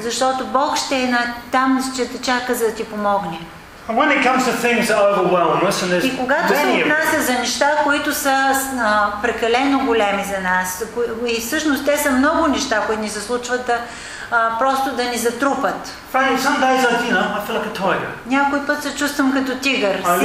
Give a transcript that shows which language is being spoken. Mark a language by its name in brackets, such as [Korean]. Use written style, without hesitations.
[Bulgarian] Защото Бог ще е там, ще те чака, за да ти помогне. [English] And when it comes to things that overwhelm us, and there's [Bulgarian] и когато се отнася за неща, които са прекалено големи за нас, и всъщност те са много неща, които ни се случват да просто да ни затрупат. [English] Friend, some days I feel like a tiger. [Bulgarian] Някой път се чувствам като тигър.